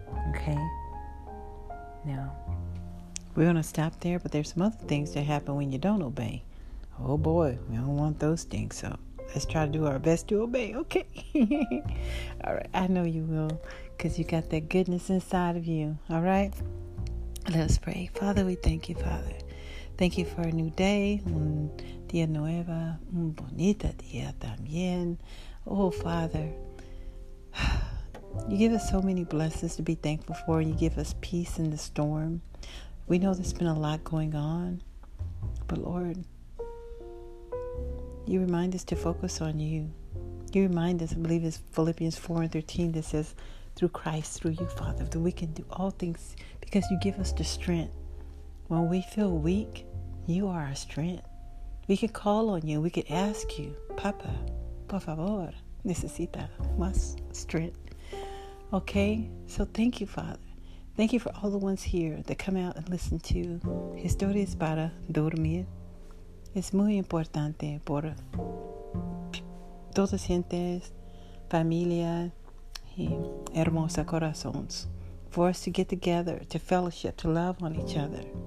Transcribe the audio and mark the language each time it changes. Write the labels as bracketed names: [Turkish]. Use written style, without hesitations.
[English] Okay, now we're going to stop there, but there's some other things that happen when you don't obey. Oh boy, we don't want those things, so let's try to do our best to obey, okay? All right, I know you will, because you got that goodness inside of you, all right? Let us pray. Father, we thank you, Father. Thank you for a new day, [Spanish] un día nueva, un bonita día también. [English] Oh, Father. You give us so many blessings to be thankful for. You give us peace in the storm. We know there's been a lot going on. But Lord, you remind us to focus on you. You remind us, I believe it's Philippians 4 and 13 that says, through Christ, through you, Father, that we can do all things because you give us the strength. When we feel weak, you are our strength. We can call on you. We can ask you, Papa, [Spanish] por favor, necesita más [English] strength. Okay, so thank you, Father. Thank you for all the ones here that come out and listen to Historias para Dormir. [Spanish] Es muy importante por todas gentes, familia, y hermosa corazones, [English] for us to get together, to fellowship, to love on each other.